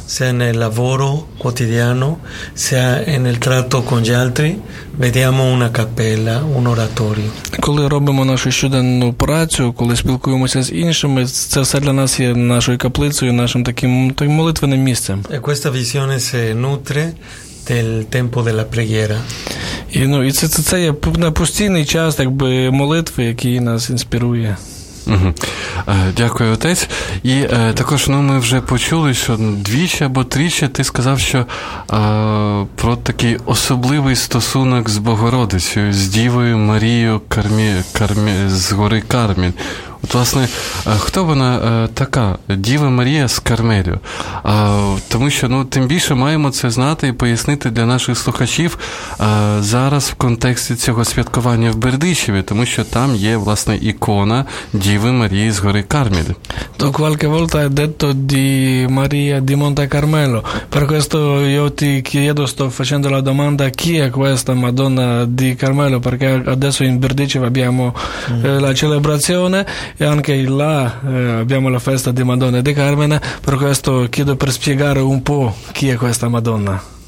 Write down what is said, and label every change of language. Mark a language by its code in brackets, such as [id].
[it] Sia nel lavoro quotidiano, sia nel tratto con gli altri, vediamo una cappella, un oratorio. [uk] Коли робимо нашу щоденну працю, коли спілкуємося з іншими, це все для нас є нашою каплицею, нашим таким молитвеним місцем. [it] E questa visione si nutre del tempo della preghiera. [uk] І, ну, і це є на постійний час якби молитви, який нас інспірує. Угу. Дякую, отець. І також, ну, ми вже почули, що двічі або тричі ти сказав, що про такий особливий стосунок з Богородицею, з Дівою Марією з гори Кармель. От, власне, хто вона така? Діва Марія з Кармелю. Тому що, ну, тим більше маємо це знати і пояснити для наших слухачів зараз в контексті цього святкування в Бердичеві, тому що там є, власне, ікона Діви Марії з гори Кармель. [it] То qualche volta è detto di Maria di Monte Carmelo. Per questo io ti chiedo, sto facendo la domanda, chi è questa Madonna di Carmelo? Perché adesso in Бердичеві abbiamo la celebrazione, e anche là abbiamo la festa di Madonna di Carmelo, per questo chiedo per spiegare un po' chi è questa Madonna.